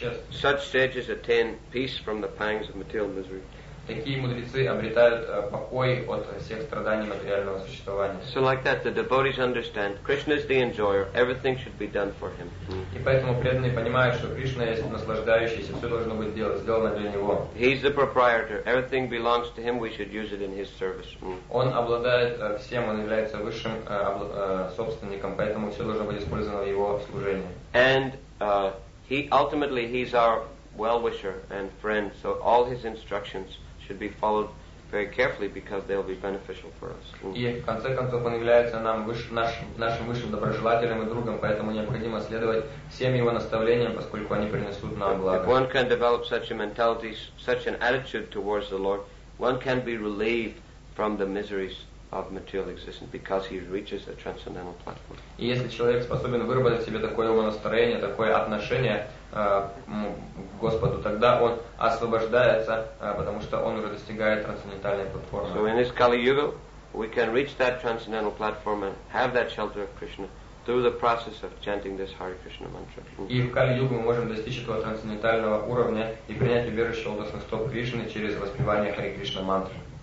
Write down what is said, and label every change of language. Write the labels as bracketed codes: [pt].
[en] Such sages attain peace from the pangs of material misery. [ru] Такие мудрецы обретают покой от всех страданий материального существования. [en] So like that, the devotees understand Krishna is the enjoyer. Everything should be done for him. [ru] И поэтому преданные понимают, что Кришна есть наслаждающийся, все должно быть сделано для него. [en] He is the proprietor. Everything belongs to him. We should use it in his service. [ru] Он обладает всем, он является высшим собственником, поэтому все должно быть использовано в его служении. [en] And he's our well-wisher and friend, so all his instructions should be followed very carefully because they will be beneficial for us. [ru] И в конце концов он является нам нашим высшим доброжелателем и другом, поэтому необходимо следовать всем его наставлениям, поскольку они принесут нам благо. [en] If one can develop such a mentality, such an attitude towards the Lord, one can be relieved from the miseries of material existence because he reaches a transcendental platform. [ru] И если человек способен выработать себе такое настроение, такое отношение к Господу, тогда он освобождается, потому что он уже достигает трансцендентальной платформы. [en] So in this Kali Yuga, we can reach that transcendental platform and have that shelter of Krishna through the process of chanting this Hare Krishna mantra. [ru] И в Kali Yuga мы можем достичь этого трансцендентального уровня и принять убежище лотосных стоп Кришны через воспевание Hare Krishna mantra.